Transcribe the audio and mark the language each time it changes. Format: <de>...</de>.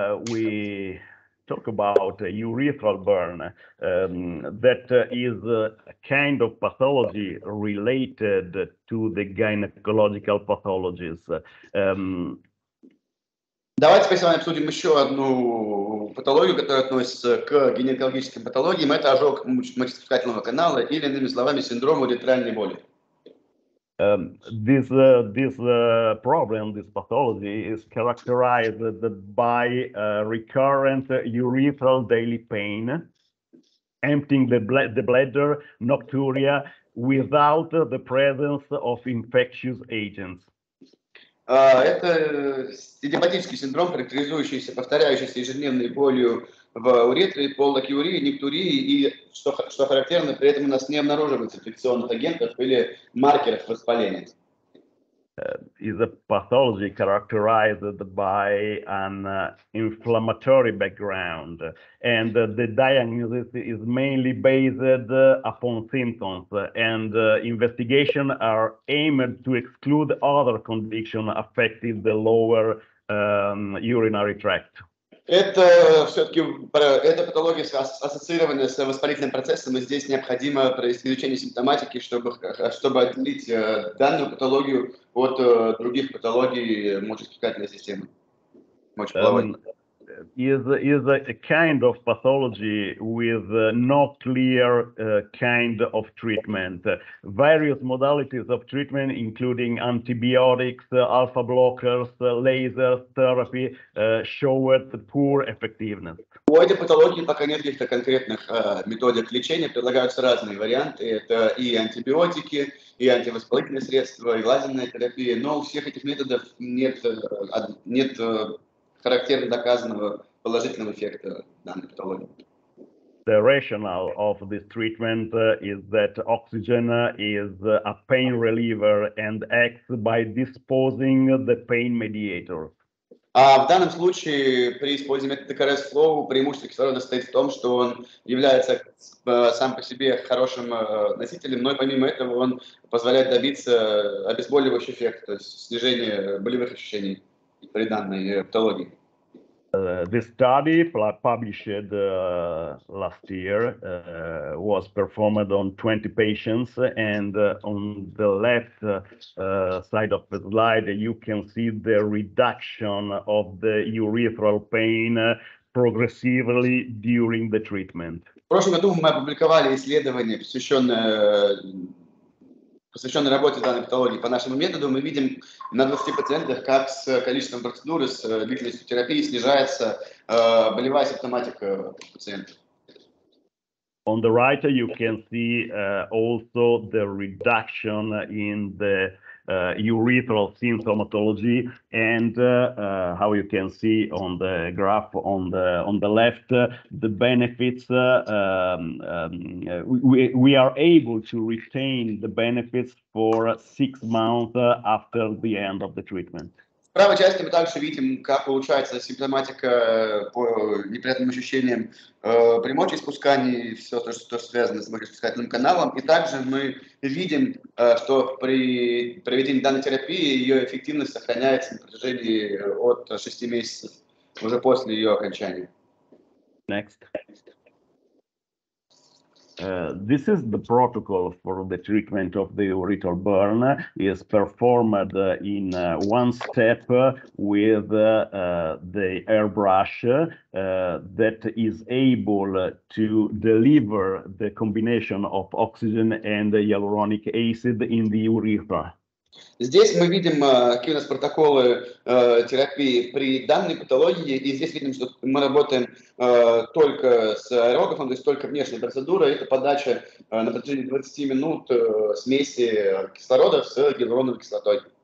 <en>We talk about urethral burn, that is a kind of pathology related to the gynecological pathologies.</en> <ru>Давайте теперь с вами обсудим еще одну патологию, которая относится к гинекологическим патологиям. Это ожог мочевыводительного канала или, иными словами, синдром уретральной боли.</ru> <en>This problem, this pathology is characterized by recurrent urethral daily pain, emptying the bladder nocturia without the presence of infectious agents.</en> <ru>Это идиопатический синдром, характеризующийся повторяющейся ежедневной болью в уретре, полакиурии, нектурии, и, что характерно, при этом у нас не обнаруживается инфекционных агентов или маркеров воспаления.</ru> <en>Is a pathology characterized by an inflammatory background, and the diagnosis is mainly based upon symptoms, and investigation are aimed to exclude other conditions affecting the lower urinary tract.</en> <ru>Это все-таки эта патология ассоциирована с воспалительным процессом, и здесь необходимо провести изучение симптоматики, чтобы отделить данную патологию от других патологий мочевыводительной системы.</ru> <en>Is a kind of pathology with no clear kind of treatment. Various modalities of treatment, including antibiotics, alpha blockers, laser therapy, showed poor effectiveness.</en> <ru>У этой патологии пока нет каких-то конкретных методик лечения. Предлагаются разные варианты. Это и антибиотики, и антивоспалительные средства, и лазерная терапия. Но у всех этих методов нет характерно доказанного положительного эффекта данной патологии.</ru> <en>The rationale of this treatment is that oxygen is a pain reliever and acts by disposing the pain mediator.</en> <ru>А в данном случае при использовании метода КРС Flow преимущество кислорода состоит в том, что он является сам по себе хорошим носителем, но и помимо этого он позволяет добиться обезболивающего эффекта, то есть снижения болевых ощущений при данной патологии.</ru> <en>This study published last year was performed on 20 patients, and on the left side of the slide you can see the reduction of the urethral pain progressively during the treatment.</en> <ru>В прошлом году мы опубликовали исследование, посвященное работе данной патологии по нашему методу. Мы видим на 20 пациентах, как с количеством процедуры, с длительностью терапии снижается болевая симптоматика пациента.</ru> <en>On the right you can see also the reduction in the urethral symptomatology, and how you can see on the graph on the left, the benefits we are able to retain the benefits for 6 months after the end of the treatment.</en> <ru>В правой части мы также видим, как улучшается симптоматика по неприятным ощущениям при мочеиспускании, все то, что связано с мочеиспускательным каналом, и также мы видим, что при проведении данной терапии ее эффективность сохраняется на протяжении от 6 месяцев уже после ее окончания.</ru> <en>Next. This is the protocol for the treatment of the urethral burn. It is performed in one step with the airbrush that is able to deliver the combination of oxygen and hyaluronic acid in the urethra.</en> <ru>Здесь мы видим, какие у нас протоколы терапии при данной патологии, и здесь видим, что мы работаем только с аэрографом, то есть только внешней процедурой. Это подача на протяжении 20 минут смеси кислорода с гиалуроновой кислотой.</ru>